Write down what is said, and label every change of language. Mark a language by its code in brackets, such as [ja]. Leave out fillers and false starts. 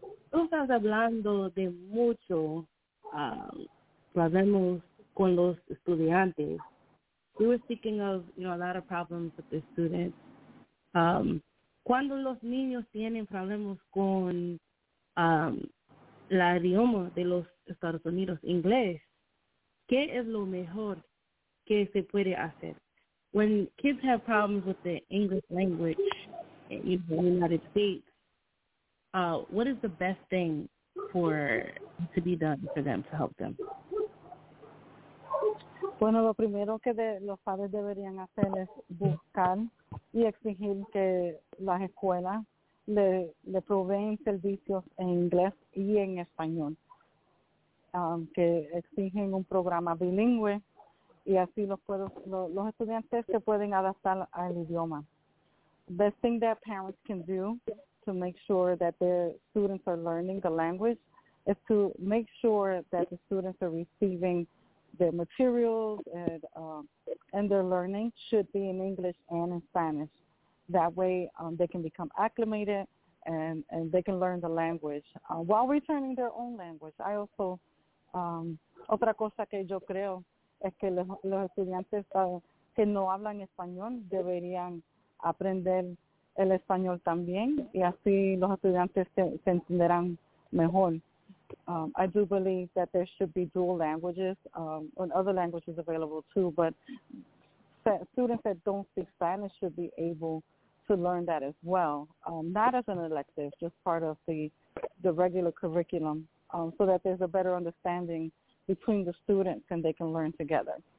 [es] Tú estás hablando de mucho, problemas con los estudiantes. [en] We were speaking of, you know, a lot of problems with the students. [es] Cuando los niños tienen problemas con la idioma de los Estados Unidos, inglés, ¿qué es lo mejor que se puede hacer? [en] When kids have problems with the English language in the United States, what is the best thing for to be done for them to help them? [es] Bueno, lo primero que los padres deberían hacer es buscar y exigir que las escuelas le proveen servicios en inglés y en español, que exigen un programa bilingüe y así los estudiantes se pueden adaptar al idioma. [en] Best thing that parents can do to make sure that their students are learning the language is to make sure that the students are receiving their materials and their learning should be in English and in Spanish. That way they can become acclimated and they can learn the language while returning their own language. I also, [es] otra cosa que yo creo es que los estudiantes que no hablan español deberían aprender el español también, y así los estudiantes se entenderán mejor. [en] I do believe that there should be dual languages and other languages available too, but students that don't speak Spanish should be able to learn that as well, not as an elective, just part of the regular curriculum, so that there's a better understanding between the students and they can learn together.